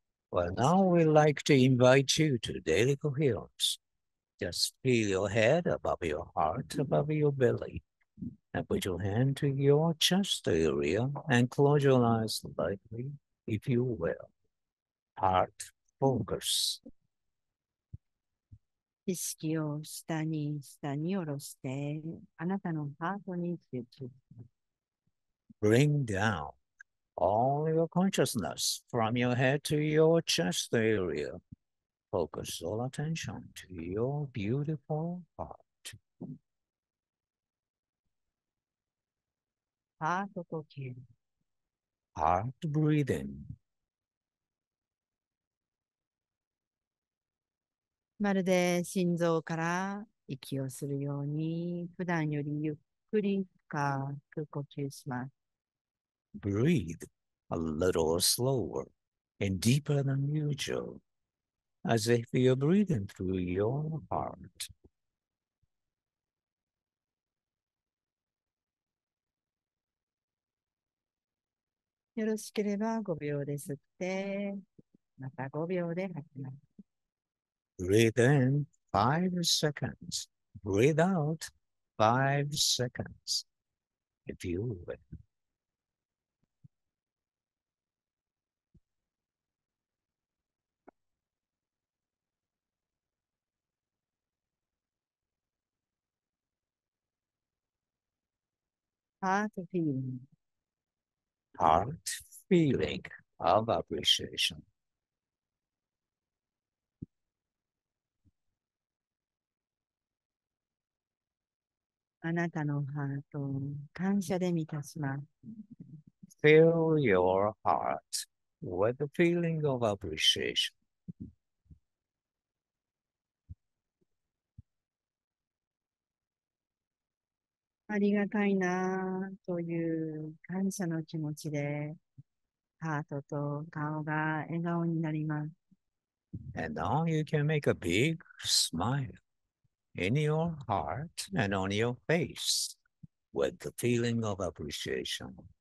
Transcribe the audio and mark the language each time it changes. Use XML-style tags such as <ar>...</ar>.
<en>Well, now we'd like to invite you to daily coherence. Just feel your head above your heart, above your belly, and put your hand to your chest area and close your eyes lightly, if you will. Heart focus.</en> <ja>意識を下に下に下ろして、あなたのハートに集中。</ja> <en>Bring down all your consciousness from your head to your chest area. Focus all attention to your beautiful heart. ハートと剣。ハートブリーディング。</en> <ja>まるで心臓から息をするように、普段よりゆっくり深く呼吸します。</ja> <en>Breathe a little slower and deeper than usual, as if you're breathing through your heart.</en> <ja>よろしければ5秒で吸って、また5秒で吐きます。</ja> <en>Breathe in 5 seconds. Breathe out 5 seconds. If you will. ハートフィーリング。 Heart feeling of appreciation.</en> <ja>あなたのハートを感謝で満たします。</ja> <en>Fill your heart with the feeling of appreciation.</en> <ja>ありがたいなという感謝の気持ちで、ハートと顔が笑顔になります。</ja> <en>And now you can make a big smile in your heart and on your face with the feeling of appreciation.</en>